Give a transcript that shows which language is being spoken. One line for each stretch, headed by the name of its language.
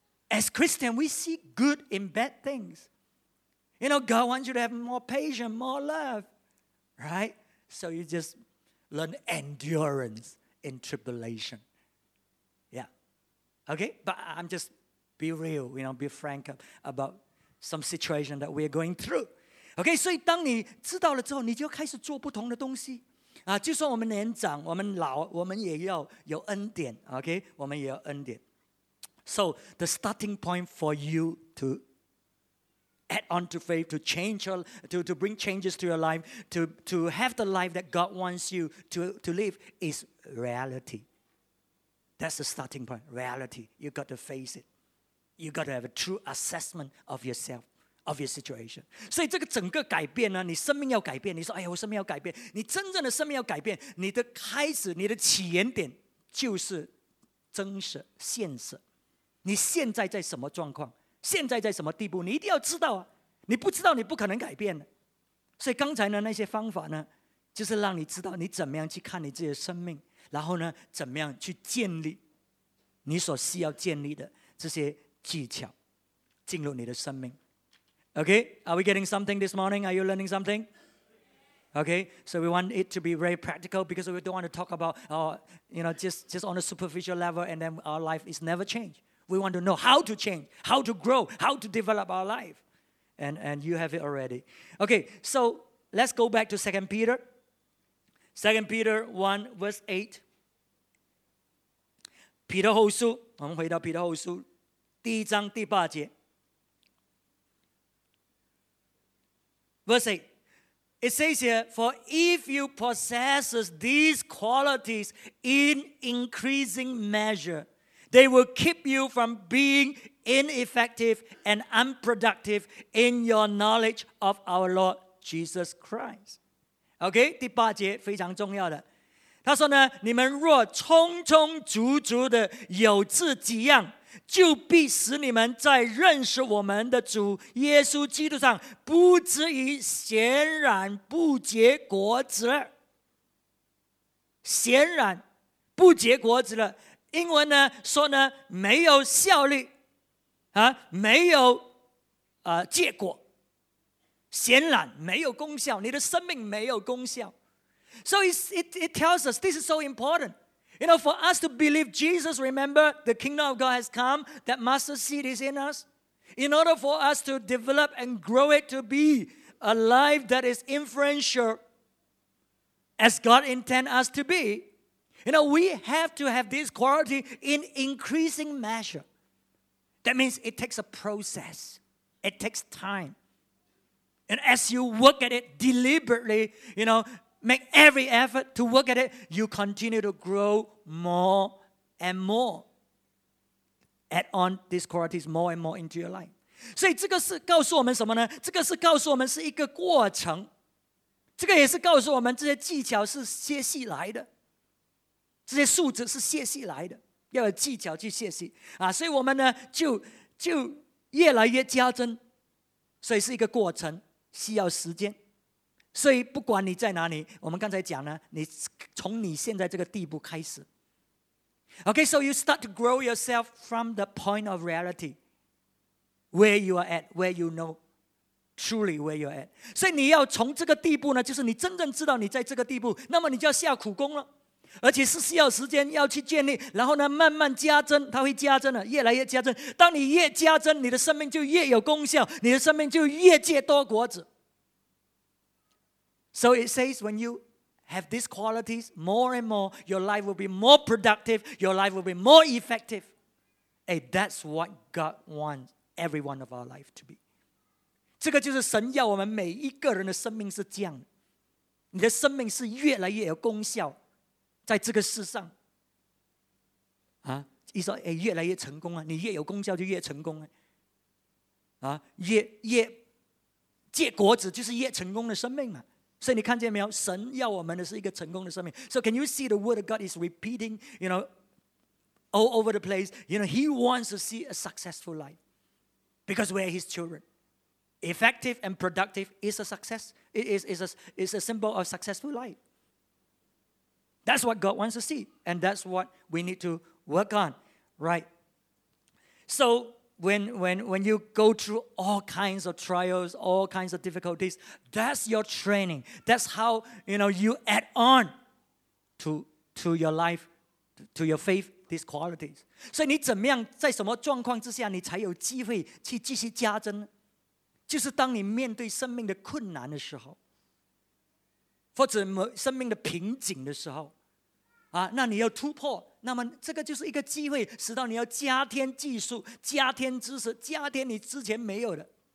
English: As Christians, we see good in bad things. You know, God wants you to have more patience, more love. Right? So you just learn endurance in tribulation. Yeah. Okay? But I'm just be real, you know, be frank about some situation that we are going through.
Chinese: OK， 所以当你知道了之后，你就开始做不同的东西。啊，就算我们年长，我们老，我们也要有恩典。 OK， 我们也要恩典。
English: So the starting point for you to add on to faith, to change your, to bring changes to your life, to have the life that God wants you to live is reality. That's the starting point. Reality. You got to face it. You got to have a true assessment of yourself. Of your situation.
Chinese: 所以这个整个改变呢，你生命要改变，你说哎呀，我生命要改变，你真正的生命要改变，你的开始，你的起源点就是真实现实，你现在在什么状况，现在在什么地步，你一定要知道啊，你不知道你不可能改变的。所以刚才呢，那些方法呢，就是让你知道你怎么样去看你自己的生命，然后呢怎么样去建立你所需要建立的这些技巧进入你的生命。
English: Okay, are we getting something this morning? Are you learning something? Okay, so we want it to be very practical because we don't want to talk about, you know, just on a superficial level and then our life is never changed. We want to know how to change, how to grow, how to develop our life. And you have it already. Okay, so let's go back to 2 Peter. 2 Peter 1 verse 8.
Chinese: Peter 后书，我们回到 Peter 后书，第一章第八节。
English: Verse 8, it says here, for if you possess these qualities in increasing measure, they will keep you from being ineffective and unproductive in your knowledge of our Lord Jesus Christ.
Chinese: Okay, 第八节非常重要的。他说呢，你们若充充足足的有这几样，就必使你们在认识我们的主耶稣基督上不至于显然不结果子了，显然不结果子了。英文呢说呢，没有效力啊，没有结果，显然没有功效，你的生命没有功效。
English: So it tells us this is so importantYou know, for us to believe Jesus, remember, the kingdom of God has come, that mustard seed is in us. In order for us to develop and grow it to be a life that is influential as God intends us to be, you know, we have to have this quality in increasing measure. That means it takes a process. It takes time. And as you work at it deliberately, you know,Make every effort to work at it, you continue to grow more and more. Add on these qualities more and more into your life.
Chinese: 所以这个是告诉我们什么呢？这个是告诉我们是一个过程。这个也是告诉我们这些技巧是歇息来的。这些素质是歇息来的。要有技巧去歇息。啊，所以我们呢 就越来越加增。所以是一个过程，需要时间。所以不管你在哪里，我们刚才讲呢，你从你现在这个地步开始。
English: OK, so you start to grow yourself from the point of reality where you are at, where you know truly where you are at.
Chinese: 所以你要从这个地步呢，就是你真正知道你在这个地步，那么你就要下苦功了，而且是需要时间要去建立，然后呢慢慢加增，它会加增了，越来越加增。当你越加增，你的生命就越有功效，你的生命就越结多果子。
English: So it says when you have these qualities more and more, your life will be more productive, your life will be more effective. Hey, that's what God wants every one of our life to be.
Chinese: 这个就是神要我们每一个人的生命是这样的。你的生命是越来越有功效在这个世上。啊，意思说，哎，越来越成功啊，你越有功效就越成功啊。啊，越结果子就是越成功的生命嘛。所以你看见没有，神要我们的是一个成功的生命。
English: So can you see the word of God is repeating, you know, all over the place? You know, he wants to see a successful life because we're his children. Effective and productive is a success. It is a symbol of successful life. That's what God wants to see. And that's what we need to work on, right? So when you go through all kinds of trials, all kinds of difficulties, that's your training. That's how, you know, you add on to your life, to your faith, these qualities.
Chinese: 所以你怎么样，在什么状况之下，你才有机会去继续加增？就是当你面对生命的困难的时候，或者生命的瓶颈的时候，啊，那你要突破，那么这个就是一个机会，使到你要加添技术，加添知识，加添你之前没有的。